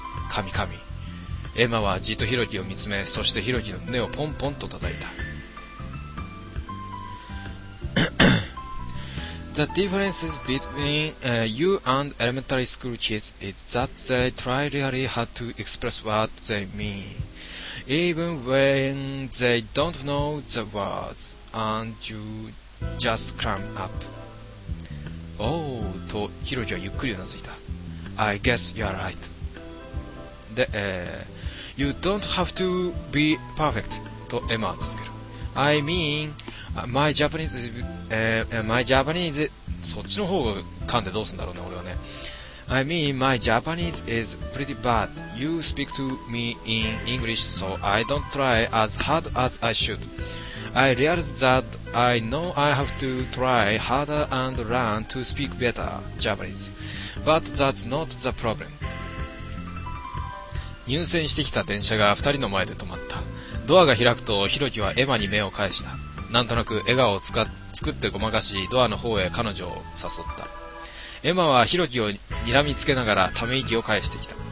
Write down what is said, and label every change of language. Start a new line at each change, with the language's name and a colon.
Japanese: 神々。エマはじっとヒロキを見つめ、そしてヒロキの胸をポンポンと叩いた。
English: The difference between you and elementary school kids is that they try really hard to express what they mean. Even when they don't know the words, and you just clam up.
Japanese: Oh, とヒロキはゆっくりうなずいた。
English: I guess you're right. で、you don't have to be perfect,
Japanese: とエマは続ける。
English: I mean, my Japanese,
Japanese: そっちの方が噛んでどうすんだろうね、俺はね。
English: I mean, my Japanese is pretty bad. You speak to me in English, so I don't try as hard as I should. I realize that I know I have to try harder and learn to speak better Japanese. But that's not the problem.
Japanese: 入線してきた電車が二人の前で止まった。ドアが開くと、ヒロキはエマに目を返した。なんとなく笑顔を作ってごまかし、ドアの方へ彼女を誘った。エマはヒロキを睨みつけながらため息を返してきた。